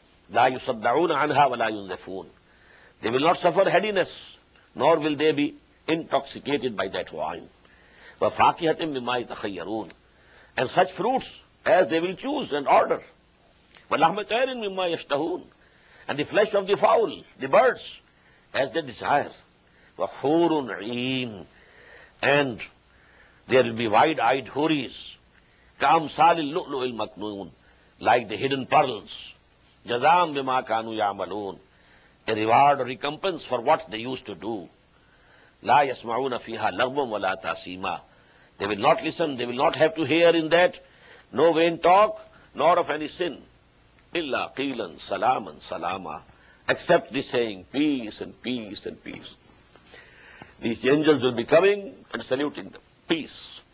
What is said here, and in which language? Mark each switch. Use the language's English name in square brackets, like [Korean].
[Arabic] لا يصدعون عنها ولا ينزفون. [English] They will not suffer heaviness nor will they be intoxicated by that wine. [Arabic] وفاكهة مما يتخيرون. [English] And such fruits as they will choose and order. [Arabic] ولحم طير مما يشتهون. [English] And the flesh of the fowl, the birds, as they desire. [Arabic] وحور عين. [English] And there will be wide-eyed houris. [Arabic] كأمثال اللؤلؤ المكنون. [English] Like the hidden pearls. [Arabic] جزاء بما كانوا يعملون. [English] A reward or recompense for what they used to do. [Arabic] لا يسمعون فيها لغوا ولا تاسيما. [English] They will not listen, they will not have to hear in that no vain talk nor of any sin. [Arabic] إلا قيلا سلاما سلاما. [English] Except the saying peace and peace and peace. These angels will be coming and saluting them. Peace.